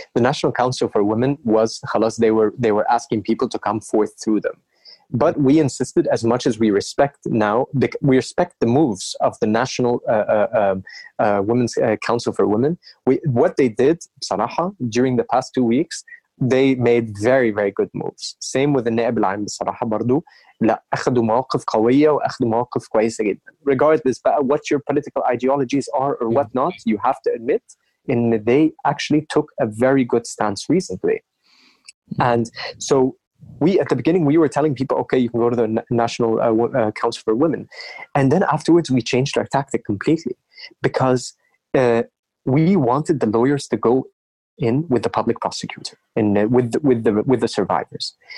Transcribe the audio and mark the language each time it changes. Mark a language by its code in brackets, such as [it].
[en] The National Council for Women was, khalas, they were asking people to come forth through them. But we insisted, as much as we respect we respect the moves of the National Women's Council for Women. What they did, Saraha, during the past 2 weeks, they made very, very good moves. Same with the Naib al-Am, [ar] Saraha, Bardu. أخذوا موقف قوية وأخذوا موقف كويسة جدا. [en] Regardless of what your political ideologies are or whatnot, you have to admit that they actually took a very good stance recently. And so, we at the beginning, we were telling people, okay, you can go to the National Council for Women. And then afterwards, we changed our tactic completely, because we wanted the lawyers to go in with the public prosecutor and with the survivors.